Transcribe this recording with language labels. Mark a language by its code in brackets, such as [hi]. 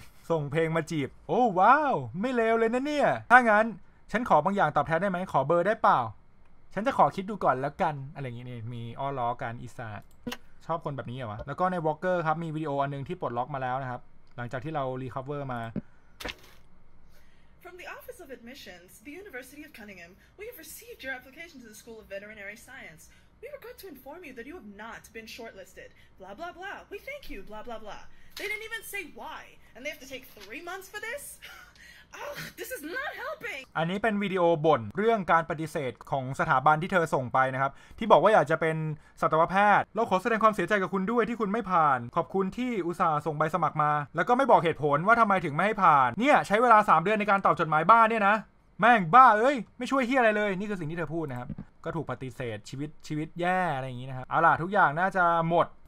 [th] ส่งเพลงมาจีบโอ้ว้าวไม่เลวเลยนะเนี่ยถ้างั้นฉันขอบางอย่างตอบแทนได้ไหมขอเบอร์ได้เปล่าฉันจะขอคิดดูก่อนแล้วกันอะไรอย่างนี้มีอ้อล้อกันอีสานชอบคนแบบนี้เหรอวะแล้วก็ในวอล์กเกอร์ครับมีวิดีโออันนึงที่ปลดล็อกมาแล้วนะครับหลังจากที่เรารีคัฟเวอร์มา [en] From the Office of Admissions, the University of Cunningham, we have received your application to the School of Veterinary Science. We regret to inform you that you have not been shortlisted. Blah blah blah. We thank you. Blah blah blah. They didn't even say why, and they have to take 3 months for this. Ugh, this is not helping. [th] อันนี้เป็นวิดีโอบ่นเรื่องการปฏิเสธของสถาบันที่เธอส่งไปนะครับที่บอกว่าอยากจะเป็นสัตวแพทย์เราขอแสดงความเสียใจกับคุณด้วยที่คุณไม่ผ่านขอบคุณที่อุตส่าห์ส่งใบสมัครมาแล้วก็ไม่บอกเหตุผลว่าทำไมถึงไม่ให้ผ่านเนี่ยใช้เวลา3เดือนในการตอบจดหมายบ้าเนี่ยนะแม่งบ้าเอ้ยไม่ช่วยเหี้ยอะไรเลยนี่คือสิ่งที่เธอพูดนะครับก็ถูกปฏิเสธชีวิตแย่อะไรอย่างงี้นะครับเอาล่ะทุกอย่างน่าจะหมด